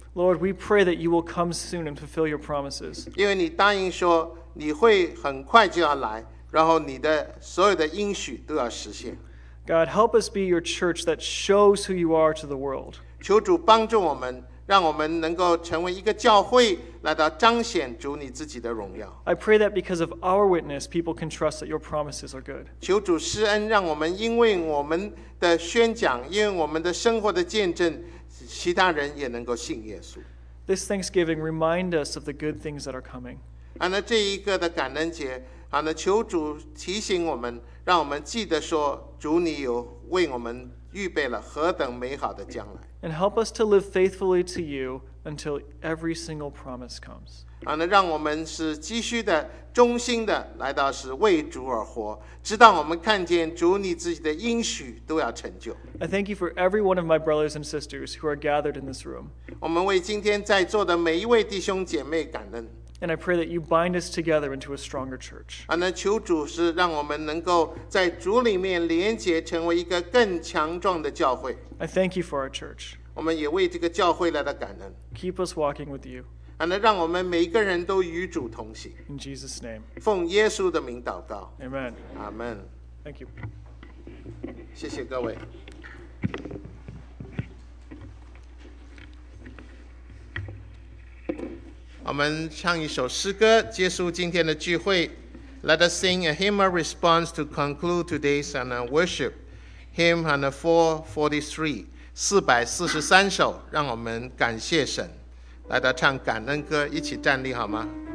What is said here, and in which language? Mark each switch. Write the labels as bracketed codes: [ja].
[en] Lord, we pray that you will come soon and fulfill your promises. [zh] 因为你答应说你会很快就要来，然后你的所有的应许都要实现。 [en] God, help us be your church that shows who you are to the world. [zh] 求主帮助我们，让我们能够成为一个教会，来到彰显主你自己的荣耀。 [en] I pray that because of our witness, people can trust that your promises are good. [zh] 求主施恩，让我们因为我们的宣讲，因为我们的生活的见证，其他人也能够信耶稣。 [en] This Thanksgiving remind us of the good things that are coming. [zh] 那这一个的感恩节，求主提醒我们，让我们记得说，主你有为我们预备了何等美好的将来。 [en] And help us to live faithfully to you until every single promise comes. [zh] 让我们是继续的、忠心的来到是为主而活，直到我们看见主你自己的应许都要成就。 [en] I thank you for every one of my brothers and sisters who are gathered in this room. [zh] 我们为今天在座的每一位弟兄姐妹感恩。 [en] And I pray that you bind us together into a stronger church. [zh] 求主是让我们能够在主里面连结，成为一个更强壮的教会。 [en] I thank you for our church. [zh] 我们也为这个教会来到感恩。 [en] Keep us walking with you. [zh] 让我们每一个人都与主同行。 [en] In Jesus' name. [zh] 奉耶稣的名祷告。 [en] Amen. Amen. Thank you. [zh] 谢谢各位。我们唱一首诗歌，结束今天的聚会。 [en] Let us sing a hymn of response to conclude today's worship. [zh] Hymn 443首，让我们感谢神，来到唱感恩歌，一起站立好吗？